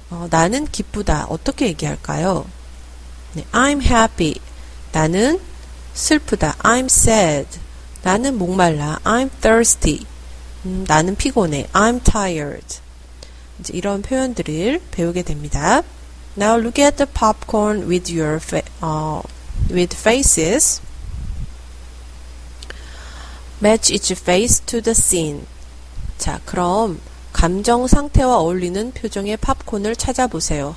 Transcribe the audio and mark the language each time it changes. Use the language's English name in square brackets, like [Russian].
[Korean] 나는 기쁘다. 어떻게 얘기할까요? 네, [English] I'm happy. [Korean] 나는 슬프다. [English] I'm sad. [Korean] 나는 목말라. [English] I'm thirsty. [Korean] 나는 피곤해. [English] I'm tired. [Korean] 이제 이런 표현들을 배우게 됩니다. [English] Now look at the popcorn with your with faces. Match each face to the scene. [Korean] 자, 그럼 감정 상태와 어울리는 표정의 팝콘을 찾아보세요.